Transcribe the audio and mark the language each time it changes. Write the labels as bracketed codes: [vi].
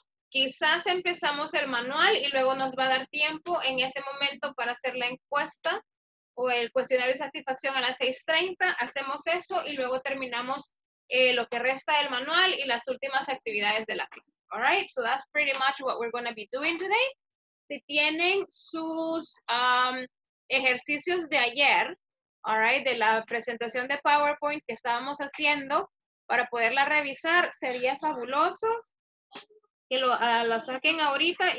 [es] Quizás empezamos el manual y luego nos va a dar tiempo en ese momento para hacer la encuesta o el cuestionario de satisfacción a las 6:30. Hacemos eso y luego terminamos lo que resta del manual y las últimas actividades de la clase. [en] All right, so that's pretty much what we're going to be doing today. [es] Si tienen sus ejercicios de ayer, [en] all right, [es] de la presentación de PowerPoint que estábamos haciendo para poderla revisar, sería fabuloso que lo saquen ahorita.